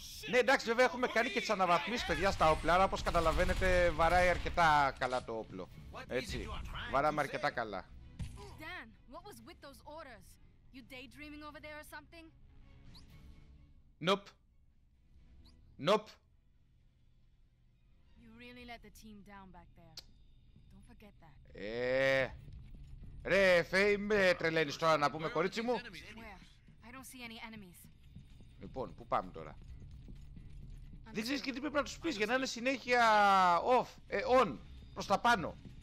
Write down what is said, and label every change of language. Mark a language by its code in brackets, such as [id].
[el] Ναι, εντάξει, βέβαια έχουμε κάνει και τις αναβαθμίσεις, παιδιά, στα όπλα. Άρα, όπως καταλαβαίνετε, βαράει αρκετά καλά το όπλο. Έτσι, βαράμε αρκετά καλά. [en] Dan, what was with those orders? You daydreaming over there or something? Nope. You really let the team down back there. Don't forget that. [el] Ρε, Φέι, με τρελαίνεις τώρα να πούμε, κορίτσι μου. [en] Where? I don't see any enemies. [el] Λοιπόν, πού πάμε τώρα. Δεν ξέρεις και τι πρέπει να τους πεις για να είναι συνέχεια off, on, προς τα πάνω.